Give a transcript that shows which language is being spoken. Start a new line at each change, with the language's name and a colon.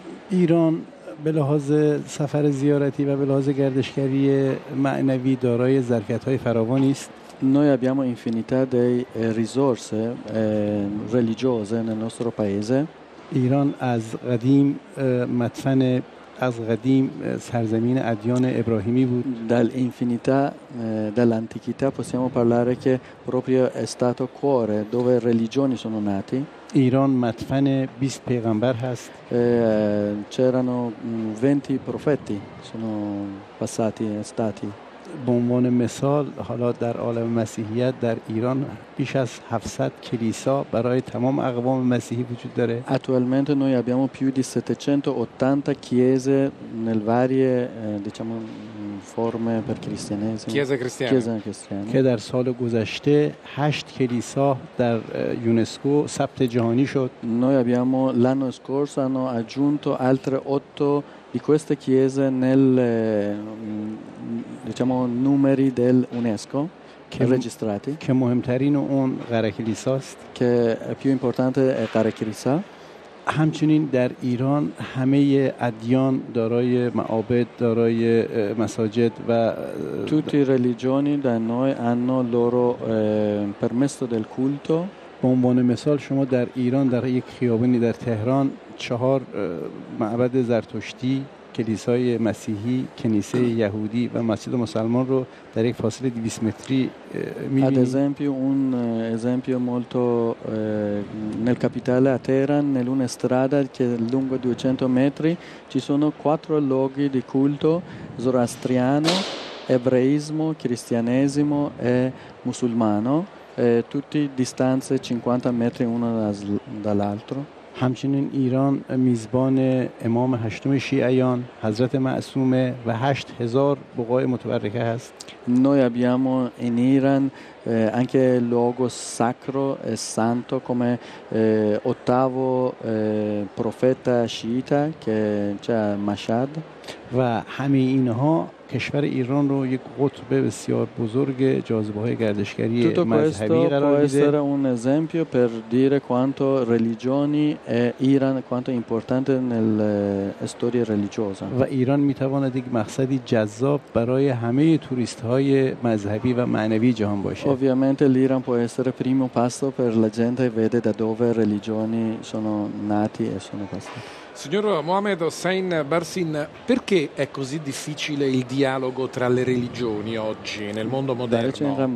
Persian: ایران به لحاظ سفر زیارتی و به لحاظ گردشگری معنوی دارای ظرفیت‌های فراوانی است.
Italian: Noi abbiamo infinità di risorse religiose nel nostro paese.
Persian: ایران از قدیم مدفن از قدیم سرزمین ادیان ابراهیمی بود.
Italian: Dal infinità dell'antichità possiamo parlare che proprio è stato cuore dove religioni sono nati.
Persian: ایران مدفن 20 پیغمبر هست.
Italian: C'erano 20 profeti sono passati stati.
Persian: به عنوان مثال حالا در عالم مسیحیت در ایران بیش از 700 کلیسا برای تمام اقوام مسیحی وجود داره.
Italian: Attualmente noi abbiamo più di 780 chiese nel varie diciamo forme per cristianesimo. Chiesa cristiana.
Persian: Che در سال گذشته 8 کلیسا در یونسکو ثبت جهانی شد.
Italian: Noi abbiamo l'anno scorso hanno aggiunto altre 8 di queste chiese nel diciamo numeri dell'UNESCO che registrati.
Persian: Che مهمترین اون قره کلیسا است.
Italian: Che è più importante è قره کلیسا.
Persian: همچنین در ایران همه ادیان دارای معابد، دارای مساجد و
Italian: tutti i religioni da noi hanno loro permesso del culto.
Persian: به عنوان مثال شما در ایران در یک خیابانی در تهران 4 معبد زرتشتی، کلیسای مسیحی، کنیسه یهودی و مسجد مسلمان رو در یک فاصله 200 متری می‌بینید.
Italian: Ad esempio un esempio molto nel capitale a Teheran, nell'una strada che lungo 200 metri ci sono 4 luoghi di culto zoroastriano, ebraismo, cristianesimo e musulmano, tutti distanze 50 metri uno dall'altro.
Persian: همچنین ایران میزبان امام هشتم شیعیان حضرت معصومه و 8000 بقاع متبرکه هست.
Italian: Noi abbiamo in Iran anche luogo sacro e santo come ottavo profeta sciita che c'è Mashhad.
Persian: و همه اینها کشور ایران رو یک قطب بسیار بزرگ جاذبه های گردشگری مذهبی قرار میده.
Italian: Questo può essere un esempio per dire quanto religioni e Iran quanto importante nel storia religiosa.
Persian: و ایران میتواند یک مقصدی جذاب برای همه توریست های مذهبی و معنوی جهان باشه.
Italian: Ovviamente l'Iran può essere primo passo per la gente che vede da dove religioni sono nati e sono passati. Signor Mohamed Hossein Barsin, perché è così difficile il dialogo tra le religioni oggi nel mondo moderno?